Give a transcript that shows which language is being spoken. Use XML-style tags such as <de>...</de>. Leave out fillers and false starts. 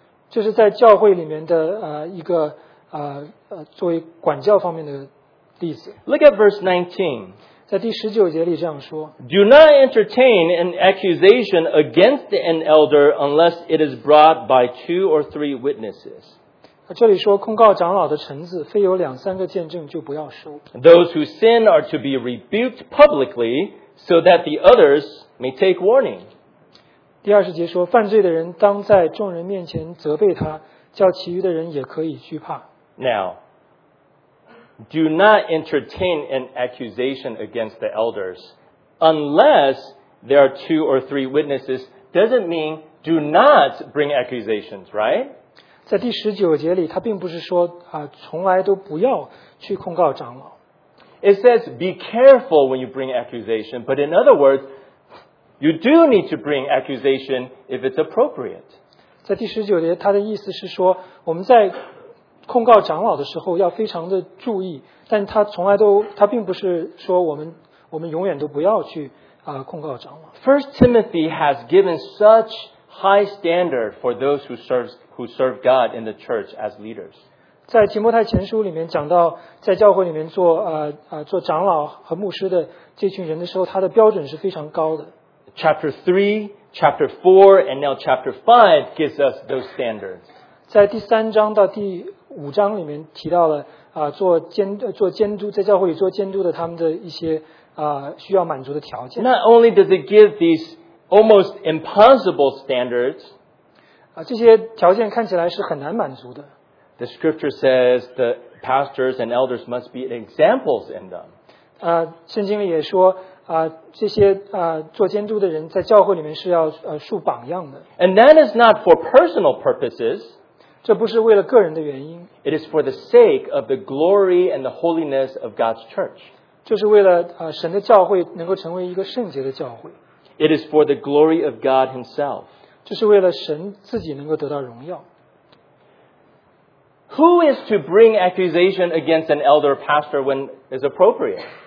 <zh>这是在教会里面的一个作为管教方面的例子。</zh> <en>Look at verse 19.</en> <zh>在第十九节里这样说。</zh> <en>Do not entertain an accusation against an elder unless it is brought by two or three witnesses.</en> <zh>这里说控告长老的臣子非有两三个见证就不要收。</zh> <en>Those who sin are to be rebuked publicly so that the others may take warning.</en> <zh>第二十节说犯罪的人当在众人面前责备他，叫其余的人也可以惧怕。</zh> <en>Now, do not entertain an accusation against the elders unless there are two or three witnesses. Doesn't mean do not bring accusations, right?</en> <zh>在第十九节里，他并不是说从来都不要去控告长老。</zh> <en>It says be careful when you bring accusation, but in other words, you do need to bring accusation if it's appropriate.</en> <zh>在第十九节，他的意思是说我们在控告长老的时候要非常的注意，但他并不是说我们永远都不要去控告长老。</zh> <en>First Timothy has given such high standard for those who serve God in the church as leaders.</en> <zh>在提摩太前书里面讲到，在教会里面做长老和牧师的这群人的时候，他的标准是非常高的。</zh> <en>Chapter 3, chapter 4, and now chapter 5 gives us those standards.</en> <zh>在第三章到第五章里面提到了做监督，在教会里做监督的他们的一些需要满足的条件。</zh> <en>Not only does it give these almost impossible standards,</en> <zh>这些条件看起来是很难满足的。</zh> <en>The scripture says the pastors and elders must be examples in them.</en> <zh>圣经里也说这些做监督的人在教会里面是要树榜样的。</zh> <en>And that is not for personal purposes.</en> <zh>这不是为了个人的原因。</zh> <en>It is for the sake of the glory and the holiness of God's church.</en> <zh>就是为了神的教会能够成为一个圣洁的教会。</zh> <en>It is for the glory of God himself.</en> <zh>就是为了神自己能够得到荣耀。</zh> <en>Who is to bring accusation against an elder pastor when is appropriate?</en>